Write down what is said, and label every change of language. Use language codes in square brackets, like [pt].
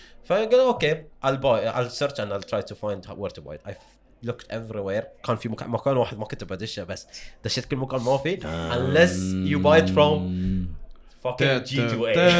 [en] فقال okay I'll buy I'll search and I'll try to find where to buy it. Looked everywhere. [ar] كان في مكان واحد ما كنت بدشه بس دشيت كل مكان ما في. [en] Unless you buy it from fucking G2A.